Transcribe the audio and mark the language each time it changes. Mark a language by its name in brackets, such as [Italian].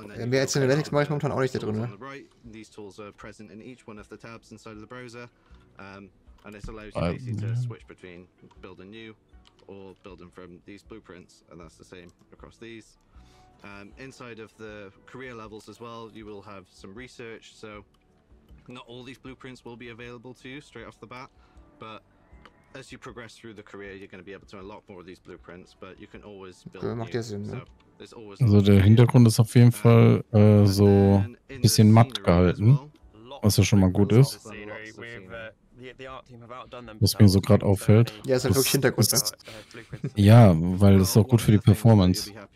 [German] Ja, mehr als in Analytics mache ich momentan auch nicht da drin, ne? [English] And it allows you basically to switch between building new or building from these blueprints, and that's the same across these. Inside of the career levels as well, you will have some research, so not all these blueprints will be available to you straight off the bat, but as you progress through the career, you're going to be able to unlock more of these blueprints, but you can always build new. [German] Also der Hintergrund ist auf jeden Fall so ein bisschen matt gehalten, was ja schon mal gut ist. Was mir so gerade auffällt. Ja, ist halt wirklich Hintergrund. Ist, ja, weil das ist auch gut für die Performance.